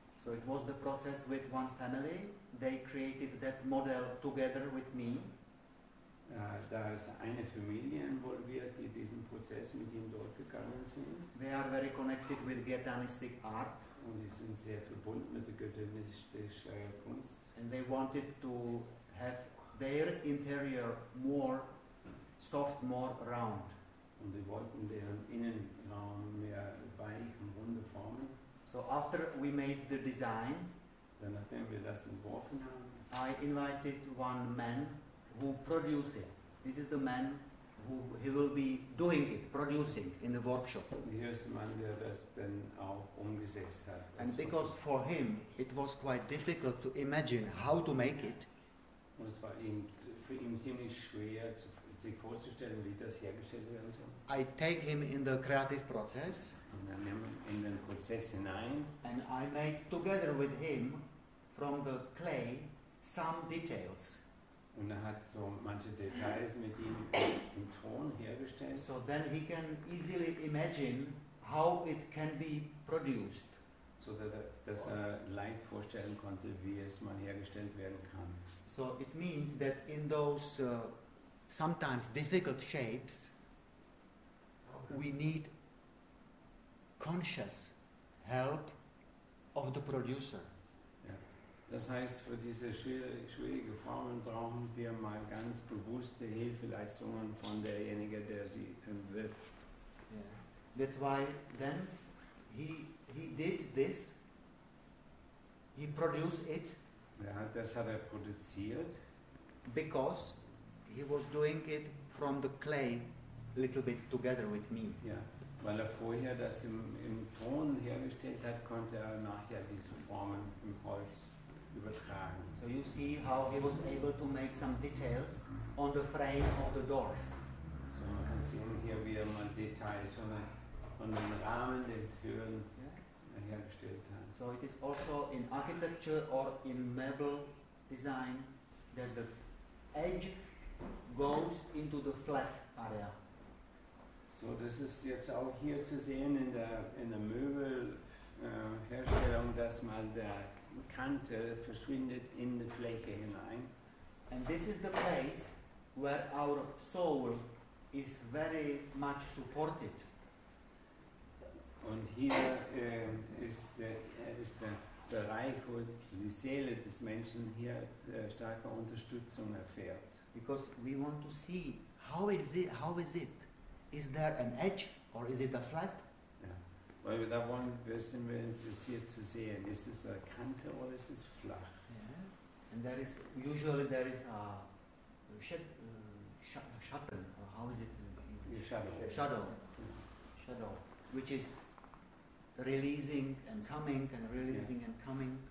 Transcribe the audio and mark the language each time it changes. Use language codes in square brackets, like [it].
[en] So it was the process with one family. They created that model together with me. [de] Da ist eine Familie involviert, die diesen Prozess mit ihm durchgegangen sind. [en] They are very connected with Ghetanistic art. [de] Und die sind sehr verbunden mit der Ghetanistischen Kunst. [en] And they wanted to have their interior more soft, more round. [de] Und die wollten deren Innenraum mehr weich und runde Formen. [en] So after we made the design, [de] dann nachdem wir das entworfen haben, [en] I invited one man who produce it. This is the man who he will be doing it, producing in the workshop. [de] Hier ist der Mann, der das dann auch umgesetzt hat. [en] And because for him it was quite difficult to imagine how to make it. [de] Und es war für ihn ziemlich schwer, sich vorzustellen, wie das hergestellt werden soll. [en] I take him in the creative process. [de] Und dann nehmen wir in den Prozess hinein. [en] And I make together with him from the clay some details. [de] Und hat so manche Details mit ihm im Ton hergestellt. [en] So then he can easily imagine how it can be produced. [de] So dass er leicht vorstellen konnte, wie es mal hergestellt werden kann. [en] So it means that in those sometimes difficult shapes, we need conscious help of the producer. [de] Das heißt, für diese schwierige Formen brauchen wir mal ganz bewusste Hilfeleistungen von derjenigen, der sie entwirft. [en] Yeah. That's why then he did this. He produced it. [de] Das hat er produziert. [en] Because he was doing it from the clay a little bit together with me. Yeah. [de] Weil er vorher das im Ton hergestellt hat, konnte er nachher diese Formen im Holz. [en] So you see how he was able to make some details on the frame of the doors. [de] So man kann sehen hier, wie er mal Details von dem Rahmen der Türen hergestellt hat. [en] So it is also in architecture or in mebel design that the edge goes into the flat area. [de] So das ist jetzt auch hier zu sehen in der Möbel Herstellung, dass man der Kante verschwindet in die Fläche hinein. [en] And this is the place where our soul is very much supported. [de] Und hier ist der Bereich, wo die Seele des Menschen hier starke Unterstützung erfährt. [en] Because we want to see how is it? Is there an edge or is it a flat? Yeah. [de] Weil wir da wollen, wir sind wir interessiert zu sehen, ist es eine Kante oder ist es flach? [en] Yeah. And there is usually there is a shadow, or how is it? Shadow, which is releasing and coming and releasing and coming.